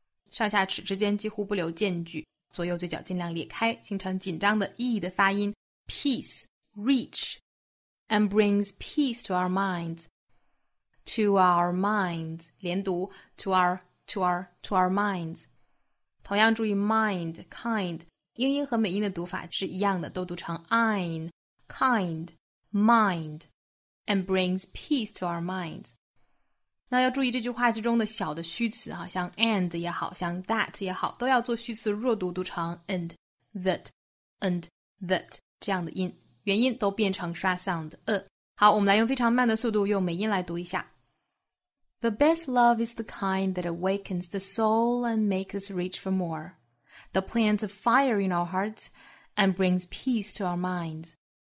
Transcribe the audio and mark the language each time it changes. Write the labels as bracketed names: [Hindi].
[Chinese] 上下齿之间几乎不留间距，左右嘴角尽量裂开，形成紧张的 E 的发音。 [English] Peace, reach, and brings peace to our minds. To our minds, 连读 to our minds. [Chinese] 同样注意 mind, kind, 英音和美音的读法是一样的，都读成 ein, kind, mind, [English] and brings peace to our minds. [Chinese] 那要注意这句话之中的小的虚词啊，像 and 也好，像 that 也好，都要做虚词弱读，读成 and that 这样的音，元音都变成 schwa sound。好，我们来用非常慢的速度用美音来读一下。 [English] The best love is the kind that awakens the soul and makes us reach for more. The plants of fire in our hearts and brings peace to our minds.